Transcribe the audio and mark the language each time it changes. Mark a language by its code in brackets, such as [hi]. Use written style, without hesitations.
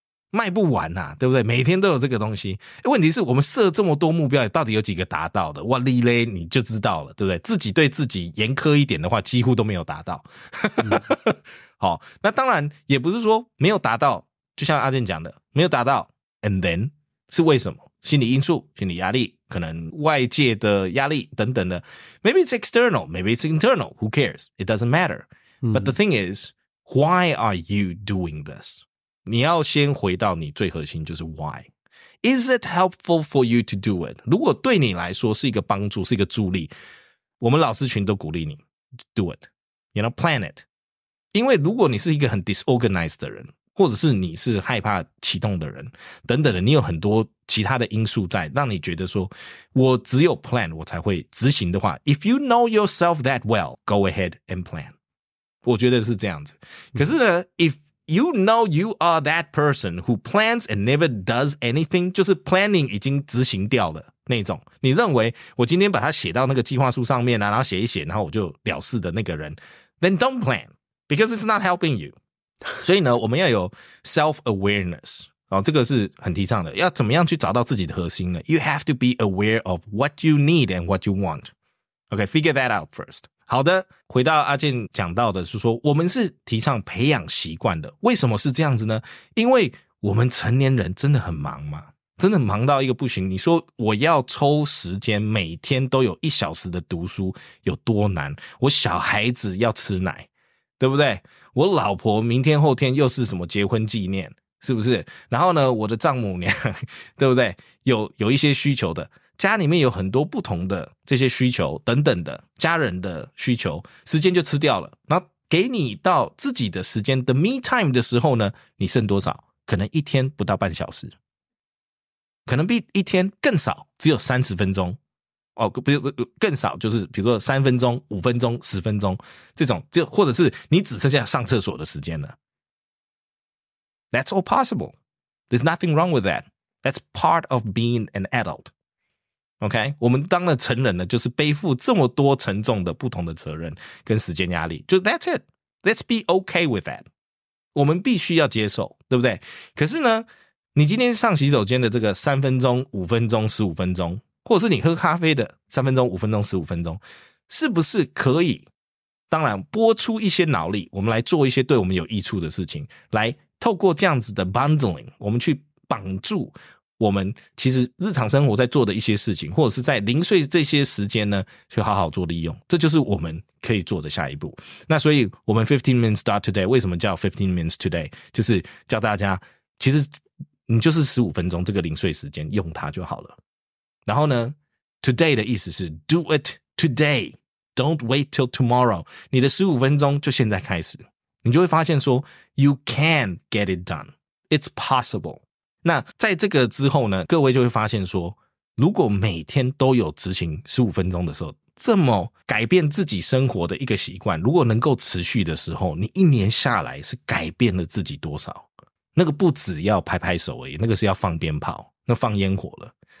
[zh] 卖不完啊，对不对？每天都有这个东西。问题是我们设这么多目标到底有几个达到的，哇哩嘞你就知道了，对不对？自己对自己严苛一点的话几乎都没有达到。好、嗯哦、那当然也不是说没有达到，就像阿健讲的没有达到 and then,是为什么？心理因素、心理压力，可能外界的压力等等的。 [en] Maybe it's external, maybe it's internal, who cares? It doesn't matter.、嗯、But the thing is, why are you doing this? [zh] 你要先回到你最核心，就是 why. [en] Is it helpful for you to do it? [zh] 如果对你来说是一个帮助，是一个助力，我们老师群都鼓励你 [en] do it. You know, plan it. [zh] 因为如果你是一个很 disorganized 的人，或者是你是害怕启动的人等等的，你有很多其他的因素在让你觉得说我只有 plan 我才会执行的话， [en] If you know yourself that well, go ahead and plan. [zh] 我觉得是这样子。可是呢、嗯、 [en] If you know you are that person who plans and never does anything, [zh] 就是 planning 已经执行掉了那种，你认为我今天把它写到那个计划书上面、啊、然后写一写然后我就了事的那个人， [en] Then don't plan, because it's not helping you. [zh] 所以呢我们要有 self-awareness、哦、这个是很提倡的，要怎么样去找到自己的核心呢？ [en] You have to be aware of what you need and what you want. OK, figure that out first. [zh] 好的，回到阿健讲到的是说我们是提倡培养习惯的，为什么是这样子呢？因为我们成年人真的很忙嘛，真的忙到一个不行，你说我要抽时间每天都有一小时的读书有多难，我小孩子要吃奶对不对，我老婆明天后天又是什么结婚纪念是不是，然后呢我的丈母娘对不对，有一些需求的，家里面有很多不同的这些需求等等的家人的需求，时间就吃掉了，然后给你到自己的时间 the me time 的时候呢，你剩多少，可能一天不到半小时，可能比一天更少，只有30分钟哦，更少，就是比如说三分钟、五分钟、十分钟这种，就或者是你只剩下上厕所的时间了。 [en] That's all possible. There's nothing wrong with that. That's part of being an adult. [zh] OK, 我们当了成人呢，就是背负这么多沉重的不同的责任跟时间压力，就 [en] That's it. Let's be OK with that. [zh] 我们必须要接受，对不对？可是呢，你今天上洗手间的这个三分钟、五分钟、十五分钟。或者是你喝咖啡的三分钟、五分钟、十五分钟，是不是可以？当然，拨出一些脑力，我们来做一些对我们有益处的事情，来透过这样子的 bundling, 我们去绑住我们其实日常生活在做的一些事情，或者是在零碎这些时间呢，去好好做利用。这就是我们可以做的下一步。那所以，我们 [en] 15 minutes start today, [zh] 为什么叫 [en] 15 minutes today? [zh] 就是教大家，其实你就是15分钟这个零碎时间用它就好了。然后呢 today 的意思是 [en] do it today, don't wait till tomorrow, [zh] 你的15分钟就现在开始。你就会发现说 [en] you can get it done, it's possible。 [zh] 那在这个之后呢，各位就会发现说，如果每天都有执行15分钟的时候，这么改变自己生活的一个习惯，如果能够持续的时候，你一年下来是改变了自己多少？那个不只要拍拍手而已，那个是要放鞭炮，那放烟火了。